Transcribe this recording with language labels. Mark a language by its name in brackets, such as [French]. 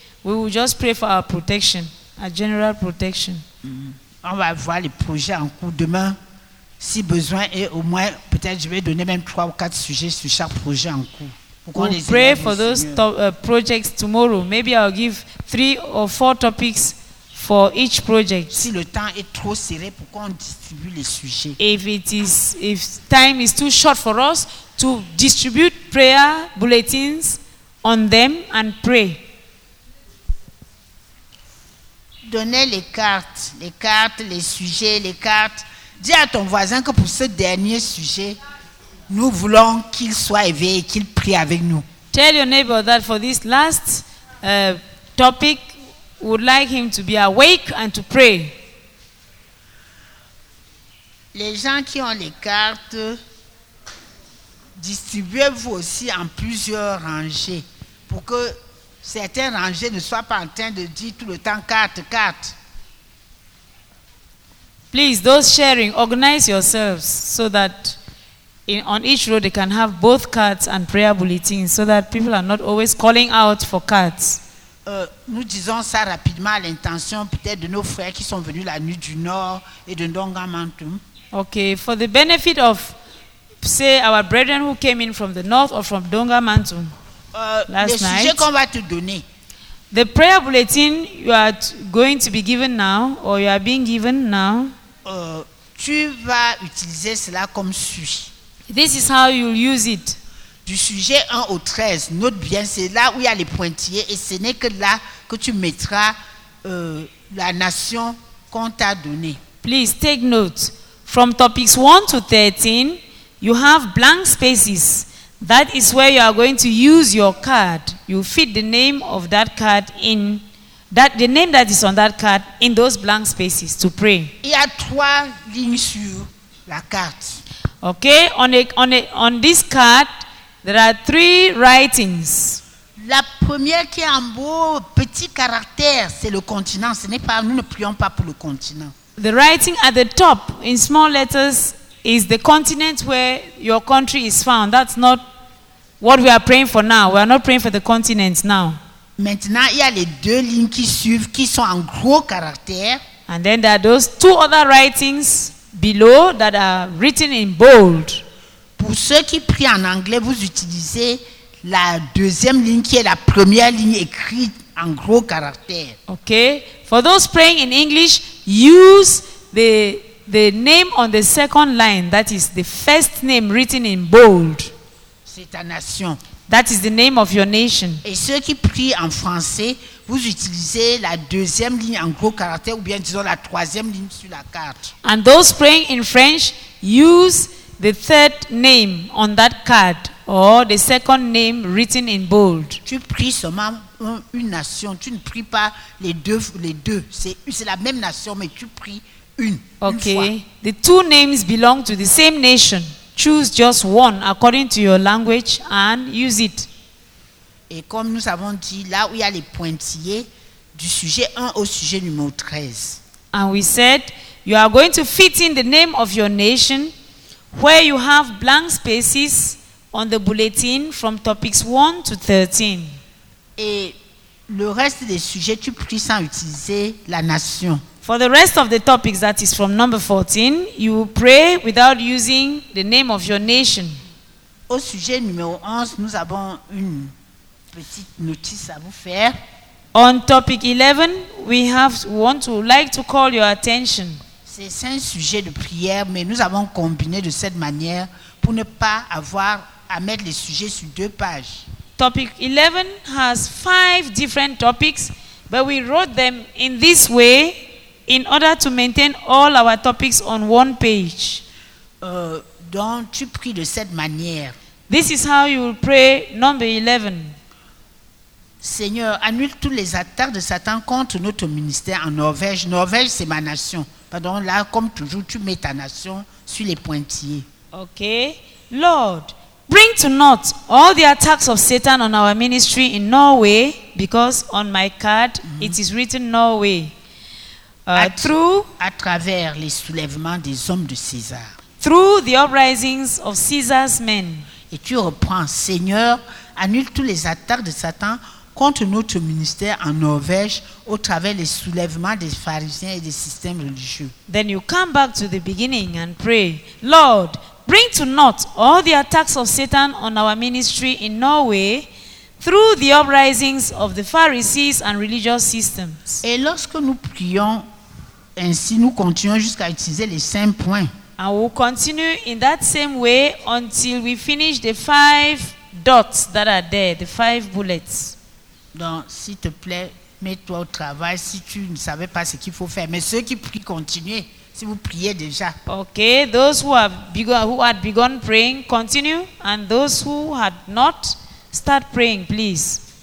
[English] We will just pray for our protection, our general protection. Mm-hmm. [French] On va voir les projets en cours demain, si besoin est au moins, peut-être je vais donner même 3 ou 4 sujets sur chaque projet en cours. [English] We'll pray for those projects tomorrow. Maybe I'll give 3 or 4 topics for each project. [French] Si le temps est trop serré, pourquoi on distribue les sujets? [English] If time is too short for us to distribute prayer bulletins on them and pray. [French] Donnez les cartes, les sujets, les cartes. Dis à ton voisin que pour ce dernier sujet, nous voulons qu'il soit éveillé et qu'il prie avec nous. [English] Tell your neighbor that for this last topic, we would like him to be awake and to pray. [French] Les gens qui ont les cartes, distribuez-vous aussi en plusieurs rangées pour que certains rangées ne soient pas en train de dire tout le temps carte. [English] Please, those sharing, organize yourselves so that on each row they can have both cards and prayer bulletins so that people are not always calling out for cards. [French] Nous disons ça rapidement à l'intention peut-être de nos frères qui sont venus la nuit du Nord et de Ndonga Mamtou. [English] Okay, for the benefit of, say, our brethren who came in from the North or from Ndonga Mamtou last night. [French] Le sujet qu'on va te donner. [English] The prayer bulletin you are going to be given now or you are being given now. [French] Tu vas utiliser cela comme suit. [English] This is how you'll use it. [French] Du sujet 1 au 13, note bien, c'est là où il y a les pointillés et ce n'est que là que tu mettras la nation qu'on t'a donnée. [English] Please take note. From topics 1 to 13, you have blank spaces. That is where you are going to use your card. You fit the name of that card in that the name that is on that card in those blank spaces to pray. [French] Il y a 3 lignes sur la carte. [English] Okay, on this card, there are 3 writings. [French] La première qui est en beau, petit caractère, c'est le continent. Ce n'est pas, nous ne prions pas pour le continent. [English] The writing at the top, in small letters, is the continent where your country is found. That's not what we are praying for now. We are not praying for the continent now. [French] Maintenant, il y a les 2 lignes qui suivent, qui sont en gros caractère. [English] And then there are those 2 other writings. below that are written in bold. [French] Pour ceux qui prient en anglais, vous utilisez la deuxième ligne qui est la première ligne écrite en gros caractères. [English] Okay. For those praying in English, use the name on the second line, that is the first name written in bold. [French] C'est ta nation. [English] That is the name of your nation. [French] Et ceux qui prient en français, vous utilisez la deuxième ligne en gros caractères ou bien disons la troisième ligne sur la carte. [English] And those praying in French, use the third name on that card or the second name written in bold. [French] Tu pries seulement une nation, tu ne pries pas les deux. C'est la même nation, mais tu pries une. [English] Okay. [French] Une fois. [English] The two names belong to the same nation. Choose just one according to your language and use it. [French] Et comme nous avons dit, là où il y a les pointillés du sujet 1 au sujet numéro 13. [English] And we said, you are going to fit in the name of your nation where you have blank spaces on the bulletin from topics 1 to 13. [French] Et le reste des sujets, tu pries sans utiliser la nation. [English] For the rest of the topics, that is from number 14, you will pray without using the name of your nation. [French] Au sujet numéro 11, nous avons une petite notice à vous faire. [English] On topic 11, we want to call your attention. [French] C'est un sujet de prière, mais nous avons combiné de cette manière pour ne pas avoir à mettre les sujets sur deux pages. [English] Topic 11 has 5 different topics, but we wrote them in this way in order to maintain all our topics on one page. [French] Donc tu pries de cette manière. [English] This is how you will pray number 11. [French] Seigneur, annule toutes les attaques de Satan contre notre ministère en Norvège. Norvège, c'est ma nation. Pardon, là, comme toujours, tu mets ta nation sur les pointillés. [English] Okay. Lord, bring to naught all the attacks of Satan on our ministry in Norway, because on my card, it is written Norway. [French] À travers les soulèvements des hommes de César. [English] Through the uprisings of Caesar's men. [French] Et tu reprends, Seigneur, annule toutes les attaques de Satan contre notre ministère en Norvège au travers les soulèvements des pharisiens et des systèmes religieux. [English] Then you come back to the beginning and pray, Lord, bring to naught all the attacks of Satan on our ministry in Norway through the uprisings of the Pharisees and religious systems. [French] Et lorsque nous prions ainsi, nous continuons jusqu'à utiliser les 5 points. [English] And we'll continue in that same way until we finish the 5 dots that are there, the 5 bullets. [French] Donc, s'il te plaît, mets-toi au travail si tu ne savais pas ce qu'il faut faire. Mais ceux qui prient, continuez. Si vous priez déjà. [English] Okay, those who had begun praying, continue. And those who had not, start praying, please.